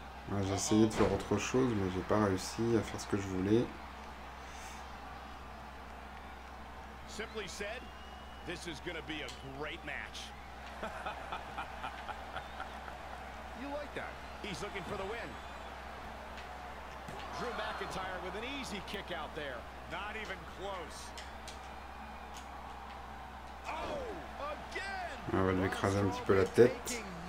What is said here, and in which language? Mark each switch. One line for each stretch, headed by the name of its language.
French: Ouais, j'ai essayé de faire autre chose, mais j'ai pas réussi à faire ce que je voulais.
English: Simply said, this is gonna be a great match. You like that? He's looking for the win. Drew McIntyre with an easy kick out there. Not even close. Oh, again!
French: On va lui écraser un petit peu la tête.